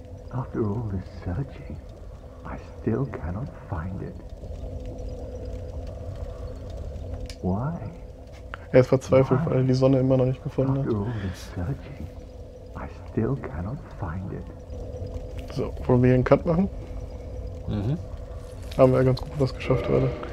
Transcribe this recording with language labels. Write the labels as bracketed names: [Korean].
[English] After all this searching, I still cannot find it. Why? [German] Er ist verzweifelt, weil er die Sonne immer noch nicht gefunden hat. [English] After all this searching, I still cannot find it. [German] So, wollen wir hier einen Cut machen? Mhm. Haben wir ja ganz gut was geschafft heute.